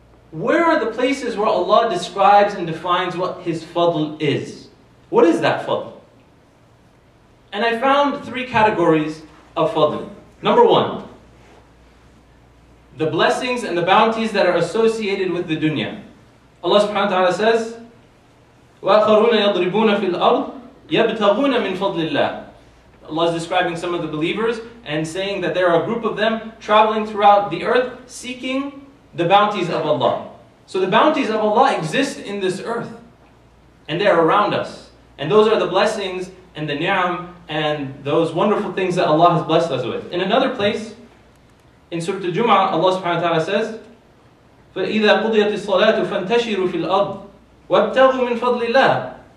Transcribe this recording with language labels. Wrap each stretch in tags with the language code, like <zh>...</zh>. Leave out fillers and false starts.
<en>Where are the places where Allah describes and defines what His fadl is? What is that fadl? And I found three categories of fadl. Number one, the blessings and the bounties that are associated with the dunya.</en> <ar>Allah subhanahu wa ta'ala says, وَأَخَرُونَ يَضْرِبُونَ فِي الْأَرْضِ يَبْتَغُونَ مِنْ فَضْلِ اللَّهِ.</ar> <en>Allah is describing some of the believers and saying that there are a group of them traveling throughout the earth seeking the bounties of Allah. So the bounties of Allah exist in this earth and they are around us. And those are the blessings and the ni'am and those wonderful things that Allah has blessed us with. In another place, in Surah Al-Jum'ah, Allah subhanahu wa ta'ala says,</en> <ar>فَإِذَا قُضِيَتِ الصَّلَاةُ فَانْتَشِرُوا فِي الْأَرْضِ وَابْتَغُوا مِنْ فَضْلِ اللَّهِ.</ar>